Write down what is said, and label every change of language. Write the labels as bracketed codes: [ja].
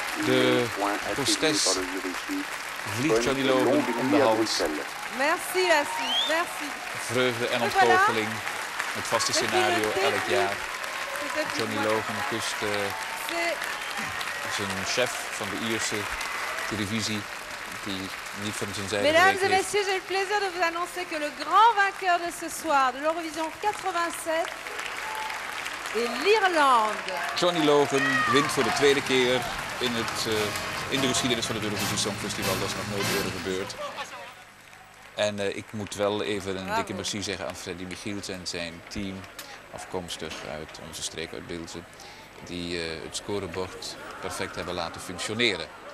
[nl] de hostesse vliegt jullie lopen om de hals. [fr] Merci, Assis, merci. [nl] Vreugde en ontgoocheling. Het vaste scenario elk jaar. Johnny Logan kust zijn chef van de Ierse televisie die niet van zijn zijde. [fr] Mesdames et messieurs, j'ai le plaisir de vous annoncer que le grand vainqueur de ce soir de l'Eurovision 87 est l'Irlande. [nl] Johnny Logan wint voor de tweede keer in het in de geschiedenis van het Eurovision Songfestival. Dat is nog nooit eerder gebeurd. En ik moet wel even een dikke merci zeggen aan Freddy Michiels en zijn team, afkomstig uit onze streek uit Bilzen, die het scorebord perfect hebben laten functioneren.